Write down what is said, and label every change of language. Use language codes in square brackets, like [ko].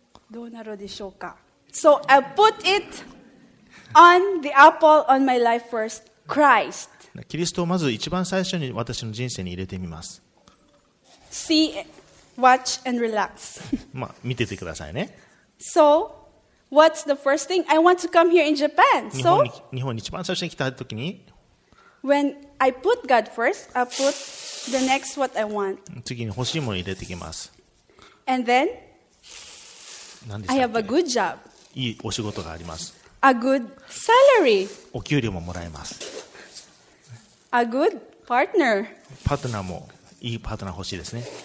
[ja] どうなるでしょうか。 [en] So I put it on the apple on my life first, Christ. [ja] キリストをまず一番最初に私の人生に入れてみます。 [en] See, watch and relax. [ja] まあ見ててくださいね。 [en] So what's the first thing? I want to come here in Japan. So [ja] 日本に一番最初に来た時に。 [en] When I put God first, I put the next what I want. [ja] 次に欲しいものを入れていきます。 [en] And then, [ja] 何でしたっ [en] け? I have a good job. [ja] いいお仕事があります。 [en] A good salary. [ja] お給料ももらえます。 [en] A good partner. [ja] パートナーも、いいパートナー欲しいですね。